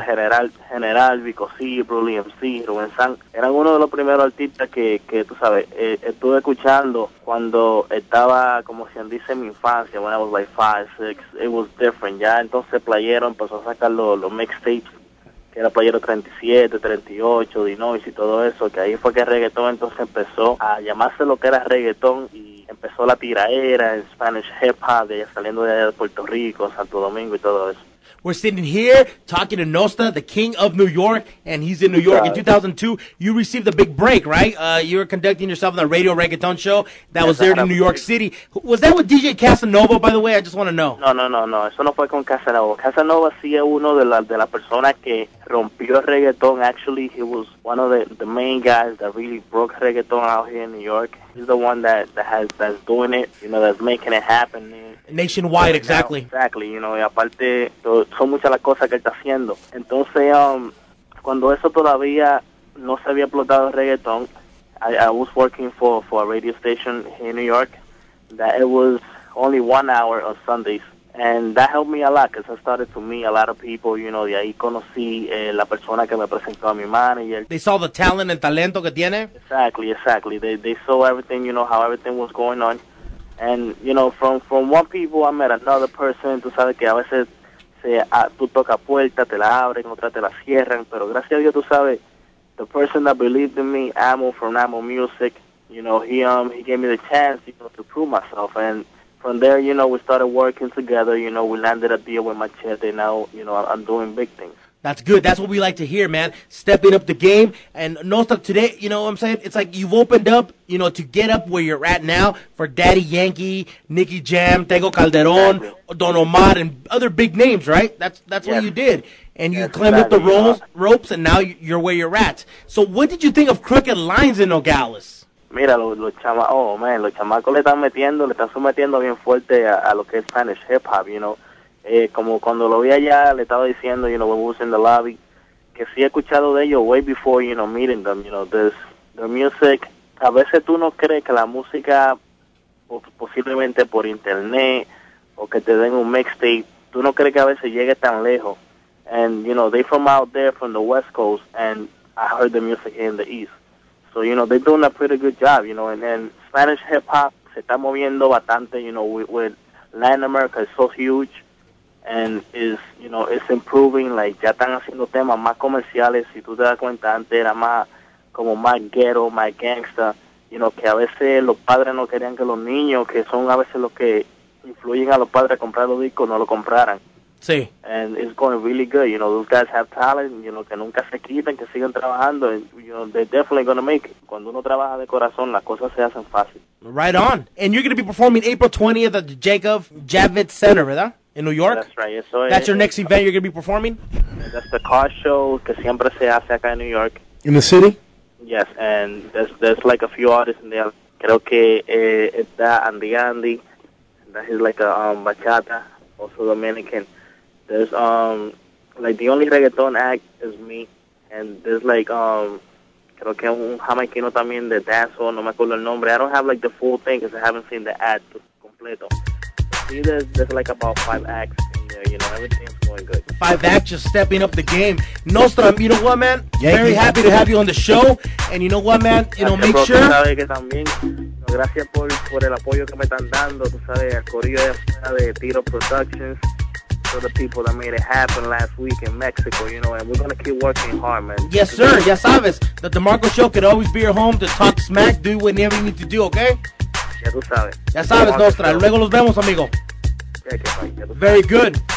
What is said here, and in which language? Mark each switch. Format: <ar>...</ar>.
<es>Claro, el general, Vico C, Brulee MC, Rubén Sang, eran uno de los primeros artistas que tú sabes, estuve escuchando cuando estaba, como se dice, en mi infancia,</es> <en>when I was like 5, 6, it was different,</en> <es>ya entonces playero empezó a sacar los mixtapes, que era playero 37, 38, Dinois y todo eso, que ahí fue que el reggaetón entonces empezó a llamarse lo que era reggaetón y empezó la tiraera, el Spanish hip-hop, de allá saliendo de allá de Puerto Rico, Santo Domingo y todo eso.</es> <en>We're sitting here talking to Nosta, the king of New York, and he's in New York. In 2002, you received a big break, right? You were conducting yourself on the radio reggaeton show that was there in New York City. Was that with DJ Casanova, by the way? I just want to know.</en> <es>No. Eso no fue con Casanova. Casanova sí es uno de las personas que rompió reggaeton.</es> <en>Actually, he was one of the main guys that really broke reggaeton out here in New York. He's the one that's doing it, you know, that's making it happen. Nationwide, exactly. Exactly, you know,</en> <es>y aparte, son muchas las cosas que él está haciendo. Entonces, cuando eso todavía no se había explotado el reggaetón,</es> <en>I was working for a radio station here in New York, that it was only 1 hour on Sundays. And that helped me a lot, because I started to meet a lot of people, you know,</en> <es>de ahí conocí la persona que me presentó a mi manager.</es> <en>They saw the talent and</en> <es>talento que tiene?</es> <en>Exactly. They saw everything, you know, how everything was going on. And, you know, from one people, I met another person.</en> <es>Tú sabes que a veces tú tocas puertas, te la abren, otras te la cierran. Pero gracias a Dios, tú sabes,</es> <en>the person that believed in me, Amo from Amo Music, you know, he gave me the chance, you know, to prove myself. And from there, you know, we started working together. You know, we landed a deal with Machete. Now, you know, I'm doing big things. That's good. That's what we like to hear, man. Stepping up the game. And Nosta, today, you know what I'm saying? It's like you've opened up, you know, to get up where you're at now for Daddy Yankee, Nicky Jam, Tego Calderon, exactly. Don Omar, and other big names, right? That's what you did. And you climbed up the ropes, and now you're where you're at. So what did you think of Crooked Lines in Nogales?</en> <es>Mira, los chamacos le están sometiendo bien fuerte a lo que es Spanish hip-hop,</es> <en>you know.</en> <es>Como cuando lo vi allá, le estaba diciendo,</es> <en>you know, when we was in the lobby,</en> <es>que sí he escuchado de ellos</es> <en>way before, you know, meeting them, you know, their music,</en> <es>a veces tú no crees que la música, posiblemente por internet o que te den un mixtape, tú no crees que a veces llegue tan lejos.</es> <en>And, you know, they from out there from the West Coast, and I heard the music in the East. So, you know, they're doing a pretty good job,</en> <es>you know, and Spanish hip-hop se está moviendo bastante, you know,</es> <en>with Latin America is so huge, and is, you know, it's improving,</en> <es>like, ya están haciendo temas más comerciales, si tú te das cuenta, antes era más, como más ghetto, más gangsta, you know, que a veces los padres no querían que los niños, que son a veces los que influyen a los padres a comprar los discos, no lo compraran. Sí.</es> <en>And it's going really good, you know, those guys have talent, you know,</en> <es>que nunca se quiten, que sigan trabajando,</es> <en>and, you know, they're definitely going to make it.</en> <es>Cuando uno trabaja de corazón, las cosas se hacen fácil.</es> <en>Right on. And you're going to be performing April 20th at the Jacob Javits Center, ¿verdad? In New York? That's right. Eso that's</en> <es>es,</es> <en>your next event you're going to be performing? That's the car show</en> <es>que siempre se hace acá en New York.</es> <en>In the city? Yes, and there's like a few artists in there.</en> <es>Creo que está Andy,</es> <en>that is like a bachata,</en> <es>also Dominican.</es> <en>There's, like, the only reggaeton act is me, and there's, like,</en> <es>creo que un jamaicano también de dancehall, no me acuerdo el nombre.</es> <en>I don't have, like, the full thing because I haven't seen the ad completo. See, there's, like, about five acts in there, you know, everything's going good. Five acts just stepping up the game. Nostra, you know what, man? Yeah, very happy to have you on the show, and you know what, man? You know, make sure.</en> <es>Sabes que también, gracias por el apoyo que me están dando, tú sabes, el corrido de Tiro Productions.</es> <en>The people that made it happen last week in Mexico, you know, and we're gonna keep working hard, man. Yes, sir. Yes, sabes. The DeMarco Show could always be your home to talk smack, do whatever you need to do, okay?</en> <es>Ya tú sabes. Ya sabes, Nostra. Luego los vemos, amigo.</es> <en>Very good.</en>